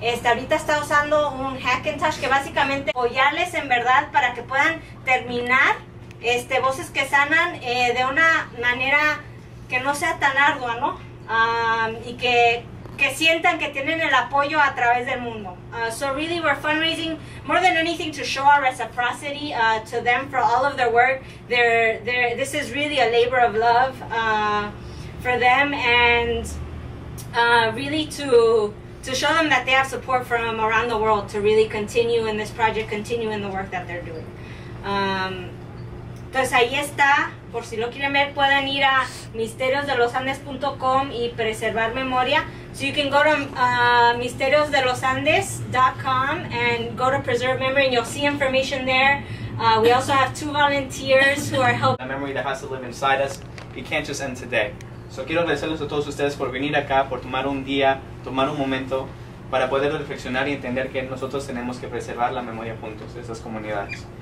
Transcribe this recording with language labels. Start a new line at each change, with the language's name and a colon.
Spanish: Ahorita está usando un Hackintosh que básicamente apoyarles en verdad para que puedan terminar Voces que Sanan de una manera que no sea tan ardua, ¿no? Y que sientan que tienen el apoyo a través del mundo.
English: So really we're fundraising more than anything to show our reciprocity to them for all of their work. This is really a labor of love. For them and really to show them that they have support from around the world to really continue in this project, continue in the work that they're doing.
Spanish: Entonces ahí está, por si lo quieren ver, pueden ir a misteriosdelosandes.com y preservar memoria.
English: So you can go to misteriosdelosandes.com and go to preserve memory and you'll see information there. We also have two volunteers who are helping. A memory that has to live inside us, it can't just end today.
Spanish: So quiero agradecerles a todos ustedes por venir acá, por tomar un día, tomar un momento para poder reflexionar y entender que nosotros tenemos que preservar la memoria juntos de esas comunidades.